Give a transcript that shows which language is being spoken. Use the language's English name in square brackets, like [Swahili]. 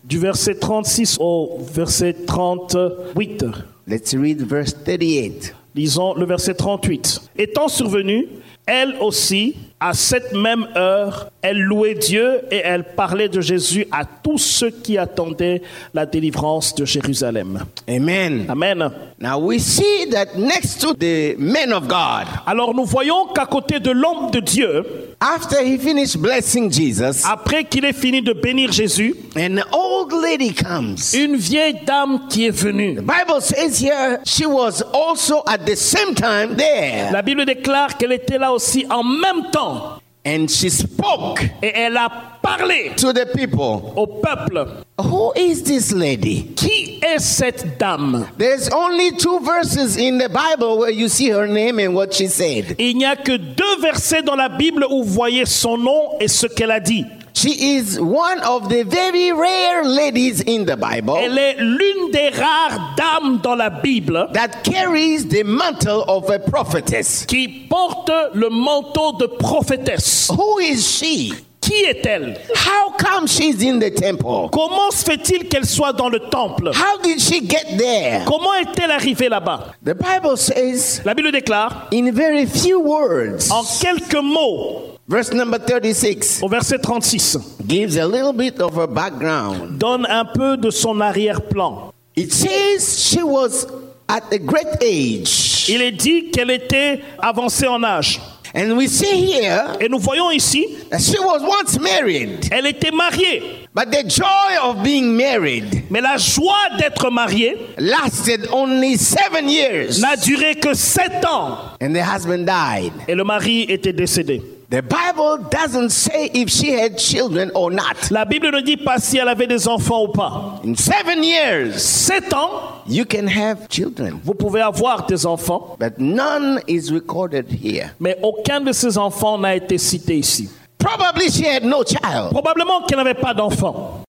[French] du verset 36 au verset 38. [English] Let's read verse 38. [French] Lisons le verset 38. Étant survenue, elle aussi, à cette même heure, elle louait Dieu et elle parlait de Jésus à tous ceux qui attendaient la délivrance de Jérusalem. Amen. Amen. [English] Now we see that next to the man of God. [French] Alors nous voyons qu'à côté de l'homme de Dieu, [English] after he finished blessing Jesus, [French] après qu'il ait fini de bénir Jésus, [English] an old lady comes. [French] Une vieille dame qui est venue. [English] The Bible says here she was also at the same time there. [French] La Bible déclare qu'elle était là aussi en même temps. [English] And she spoke. [French] Et elle a parlé [English] to the people. [French] Au peuple. [English] Who is this lady? [French] Qui est cette dame? [English] There's only two verses in the Bible where you see her name and what she said. [French] Il n'y a que deux versets dans la Bible où vous voyez son nom et ce qu'elle a dit. [English] She is one of the very rare ladies in the Bible. [French] Elle est l'une des rares dames dans la Bible. [English] That carries the mantle of a prophetess. [French] Qui porte le manteau de prophétesse. [English] Who is she? [French] Qui est-elle? [English] How come she's in the temple? [French] Comment se fait-il qu'elle soit dans le temple? [English] How did she get there? [French] Comment est-elle arrivée là-bas? [English] The Bible says, [French] la Bible déclare, [English] in very few words, [French] en quelques mots, [English] verse number 36. [French] Au verset 36. [English] Gives a little bit of her background. [French] Donne un peu de son arrière-plan. [English] It says She was at a great age. [French] Il est dit qu'elle était avancée en âge. [English] And we see here, [French] et nous voyons ici, [English] that she was once married. [French] Elle était mariée. [English] But the joy of being married, [French] mais la joie d'être mariée, [English] lasted only 7 years. [French] N'a duré que 7 ans. [English] And the husband died. [French] Et le mari était décédé. [English] The Bible doesn't say if she had children or not. [French] La Bible ne dit pas si elle avait des enfants ou pas. [English] In 7 years, [French] 7 ans, [English] you can have children. [French] Vous pouvez avoir des enfants. [English] But none is recorded here. [French] Mais aucun de ces enfants n'a été cité ici. [English] Probably she had no child. [French] Probablement qu'elle n'avait pas d'enfant.